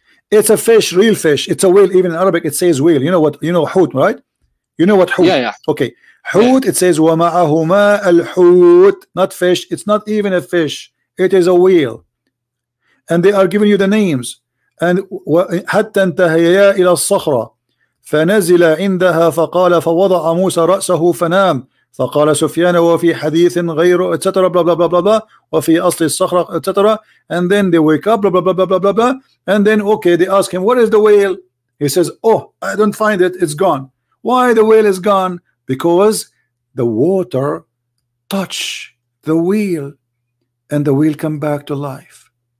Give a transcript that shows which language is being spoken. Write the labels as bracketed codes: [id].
[en] It's a fish, real fish. It's a whale. Even in Arabic, it says whale. You know what, you know, hoot, right? You know what hoot? Yeah, yeah. Okay. Hoot, yeah. It says, [ar] wa ma'ahuma al-hoot, [en] not fish. It's not even a fish. It is a whale. And they are giving you the names. And [ar] hatta intahaya ila as-sakhra. فنزل عندها فقال فوضع موسى رأسه فنام فقال سفيان وفي حديث غير [en] etc. blah blah blah blah blah [ar] وفي أصل الصخرة [en] etc. And then they wake up blah blah blah blah blah blah blah. And then okay, they ask him, where is the whale? He says, oh, I don't find it. It's gone. Why the whale is gone? Because the water touch the whale, and the whale come back to life.